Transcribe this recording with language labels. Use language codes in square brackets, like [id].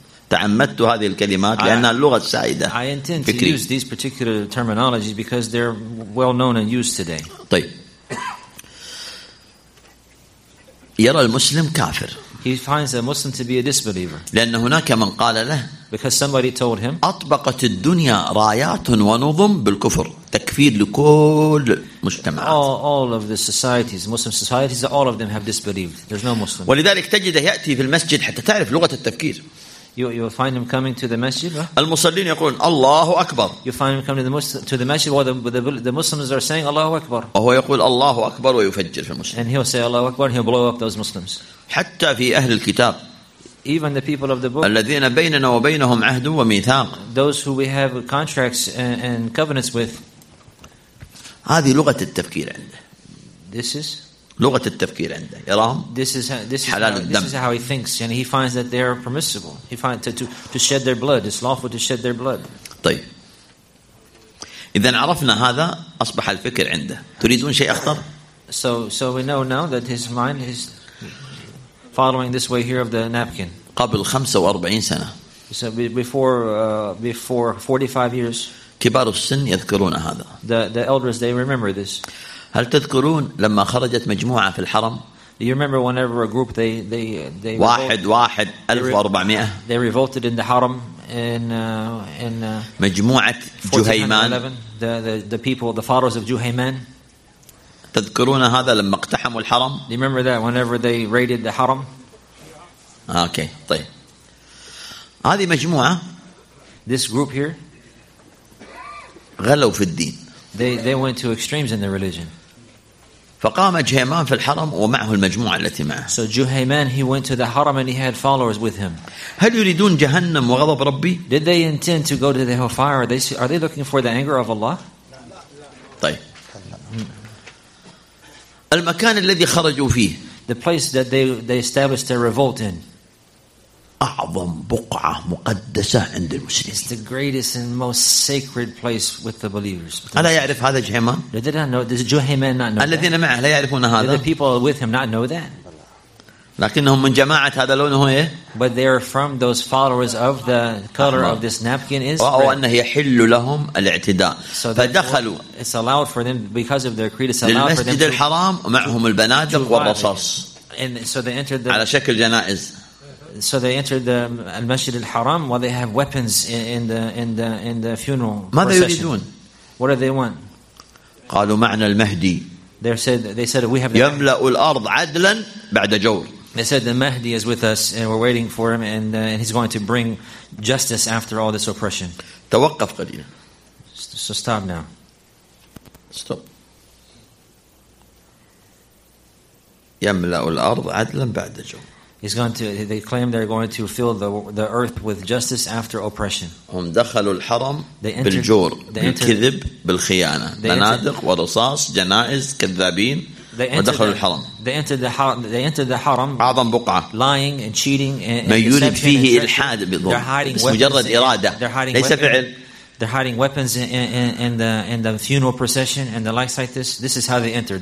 [ar] تعمدت هذه الكلمات لأنها اللغة السائدة. [en] I intend to use these particular terminologies because they're well known and used today. [ar] طيب. يرى المسلم كافر. [en] He finds a Muslim to be a disbeliever. [ar] لأن هناك من قال له. [en] Because somebody told him. [ar] أطبقت الدنيا رايات ونظم بالكفر. تكفير لكل مجتمعات. [en] All of the societies, Muslim societies, all of them have disbelieved. There's no Muslim. [ar] ولذلك تجده يأتي في المسجد حتى تعرف لغة التفكير. [en] You will find him coming to the masjid. [ar] المصلين يقولون الله أكبر. [en] You find him coming to the masjid where the Muslims are saying الله أكبر. [ar] وهو يقول الله أكبر ويفجر في المسجد. [en] And he'll say الله أكبر and he'll blow up those Muslims. [ar] حتى في أهل الكتاب. [en] Even the people of the book. [ar] الذين بيننا وبينهم عهد وميثاق. [en] Those who we have contracts and covenants with. [ar] هذه لغة التفكير عنده. [en] This is. [ar] لغة التفكير عنده يرام. [en] This is how he thinks, and he finds that they are permissible. He finds to shed their blood. It's lawful to shed their blood. [ar] طيب. إذا عرفنا هذا أصبح الفكر عنده. تريدون شيء أخطر؟ [en] So we know now that his mind is following this way here of the napkin. [ar] قبل 45 سنة. [en] So before 45 years. [ar] كبار السن يذكرون هذا. [en] The elders they remember this. [ar] هل تذكرون لما خرجت مجموعة في الحرم؟ [en] Do you remember whenever a group they [ar] واحد واحد 1400 [en] they revolted in the Haram in [ar] مجموعة جهيمان [en] the people the followers of جهيمان [ar] تذكرون هذا لما اقتحموا الحرم؟ [en] Do you remember that whenever they raided the Haram? [ar] Okay, طيب هذه مجموعة [en] this group here [ar] غلوا في الدين [en] they went to extremes in their religion. [ar] فقام جهيمان في الحرم ومعه المجموعة التي معه. [en] So Juhayman he went to the Haram and he had followers with him. [ar] هل يريدون جهنم وغضب ربي؟ [en] Did they intend to go to the hellfire? Are they looking for the anger of Allah? [ar] طيب. المكان الذي خرجوا فيه. [en] The place that they established their revolt in. [ar] أعظم بقعة مقدسة عند المسلمين. [en] It's the greatest and most sacred place with the believers. [ar] ألا يعرف هذا جهيمان؟ [en] Did they not know? Does Juhayman not know? [ar] الذين معه لا يعرفون هذا. [en] Did the people with him not know that? [ar] لكنهم من جماعة هذا لونه إيه؟ [en] But they are from those followers of the color of this napkin is. [ar] رأوا أنه يحل لهم الاعتداء. So فدخلوا. [en] It's allowed for them because of their creed. It's allowed for them. [ar] للمسجد الحرام ومعهم البنادق والرصاص. [en] And so they entered the. [ar] على شكل جنائز. [en] So they entered the Masjid al-Haram while they have weapons in the funeral procession. What do they want? [ar] قالوا معنا المهدي. [en] They said we have. [ar] يملأ الأرض عدلا بعد جور. [en] They said the Mahdi is with us and we're waiting for him and he's going to bring justice after all this oppression. [ar] توقف قليلا. [en] So stop now. Stop. [ar] يملأ الأرض عدلا بعد جور. [en] He's going to. They claim they're going to fill the earth with justice after oppression. [ar] هم دخلوا الحرم بالجور بالكذب بالخيانة بنادق ورصاص جنائز كذابين ودخلوا الحرم. [en] They entered the haram. [ar] أعظم بقعة. [en] Lying and cheating and [ar] ما يريد فيه إلحاد بالظلم. [en] They're hiding weapons. [ar] مجرد إرادة. ليس فعل. [en] They're hiding weapons in the funeral procession and the likes like this. This is how they entered.